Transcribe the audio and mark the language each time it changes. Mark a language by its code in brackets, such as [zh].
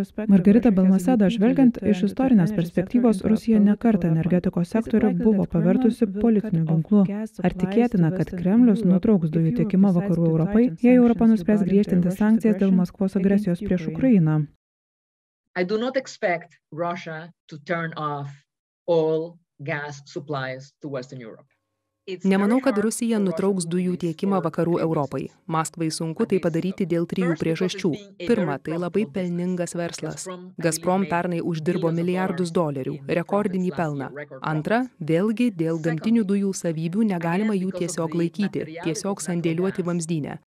[lt] Margarita Balmaseda, žvelgiant iš istorinės perspektyvos, Rusija ne kartą energetikos sektorių buvo pavertusi politiniu ginklu. Ar tikėtina, kad Kremlius nutrauks dujų tiekimą vakarų Europai, jei Europa nuspręs griežtinti sankcijas dėl Maskvos agresijos prieš Ukrainą? [en] I do not expect Russia to turn off all gas supplies to Western Europe. [lt] Nemanau, kad Rusija nutrauks dujų tiekimą vakarų Europai. Maskvai sunku tai padaryti dėl 3 priežasčių. Pirma, tai labai pelningas verslas. Gazprom pernai uždirbo $1 milijardus, rekordinį pelną. Antra, vėlgi, dėl gamtinių dujų savybių negalima jų tiesiog laikyti, tiesiog sandėliuoti vamzdyne.